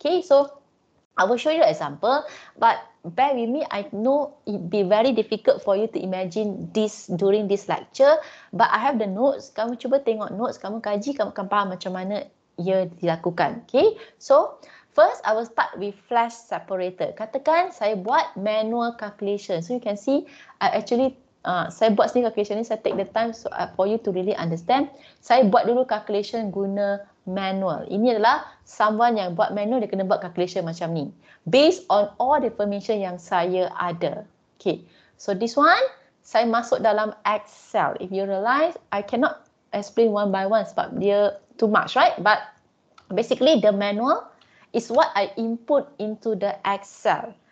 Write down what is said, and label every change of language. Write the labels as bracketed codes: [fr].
[en] Okay, so I will show you an example but bear with me, I know it be very difficult for you to imagine this during this lecture but I have the notes. [ms] Kamu cuba tengok notes, kamu kaji, kamu akan faham macam mana ia dilakukan. [en] Okay, so first, I will start with flash separator. [ms] Katakan saya buat [en] manual calculation. So, you can see, [ms] saya buat sendiri calculation ni, saya [en] take the time so, for you to really understand. [ms] Saya buat dulu calculation guna manual. Ini adalah someone yang buat manual, dia kena buat calculation macam ni. [en] Based on all the information [ms] yang saya ada. [en] Okay, so this one, [ms] saya masuk dalam [en] Excel. If you realize, I cannot explain one by one [ms] sebab dia [en] too much, right? But basically, the manual is what I input into the Excel.